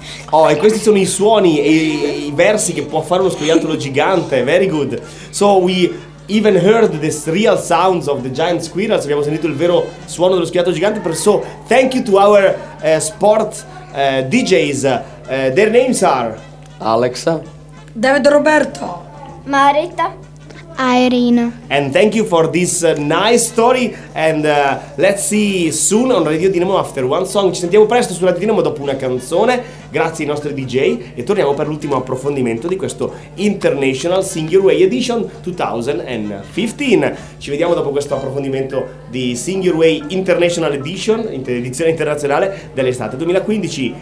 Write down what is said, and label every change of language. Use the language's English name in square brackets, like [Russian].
[Italian] Oh, e questi sono i suoni e i versi che può fare uno scoiattolo gigante. [English] Very good. So we even heard the real sounds of the giant squirrels. Abbiamo sentito il vero suono dello scoiattolo gigante. So thank you to our sport DJs. Their names are Alexa, David Roberto, Marita, Irina. And thank you for this nice story. And let's see soon on Radio Dinamo after one song. [Italian] Ci sentiamo presto su Radio Dinamo dopo una canzone. Grazie ai nostri DJ. E torniamo per l'ultimo approfondimento di questo International Singing Way Edition 2015. Ci vediamo dopo questo approfondimento di Singing Way International Edition, edizione internazionale dell'estate 2015.